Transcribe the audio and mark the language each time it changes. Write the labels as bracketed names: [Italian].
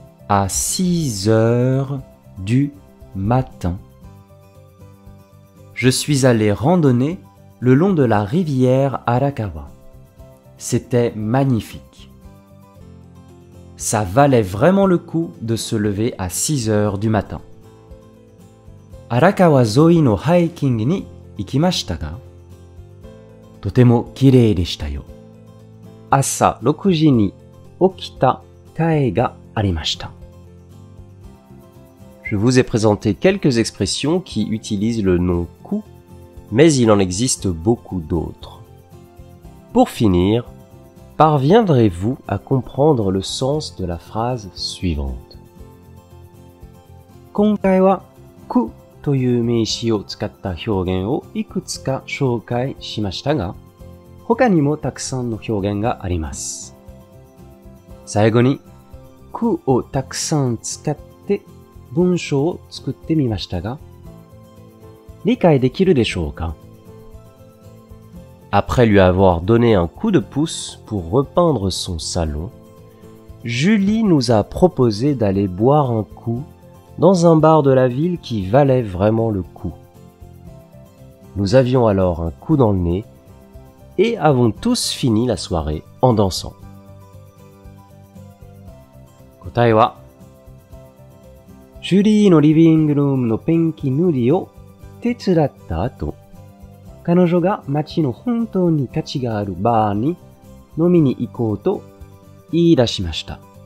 [French] À 6 heures du matin. Je suis allé randonner le long de la rivière Arakawa. C'était magnifique. Ça valait vraiment le coup de se lever à 6 heures du matin. [Japanese] Arakawa 沿いのハイキングに行きましたが、とても綺麗でしたよ。朝6時に起きた甲斐がありました。 [French] Je vous ai présenté quelques expressions qui utilisent le nom « coup », mais il en existe beaucoup d'autres. Pour finir, parviendrez-vous à comprendre le sens de la phrase suivante ? [Japanese] 今回は「coup」という名詞を使った表現をいくつか紹介しましたが、他にもたくさんの表現があります。最後に「coup」をたくさん使って文章を作ってみましたが、理解できるでしょうか? [French] Après lui avoir donné un coup de pouce pour repeindre son salon, Julie nous a proposé d'aller boire un coup dans un bar de la ville qui valait vraiment le coup. Nous avions alors un coup dans le nez et avons tous fini la soirée en dansant. [Japanese] 答えはジュリーのリビングルームのペンキ塗りを手伝った後、彼女が町の本当に価値があるバーに飲みに行こうと言い出しました。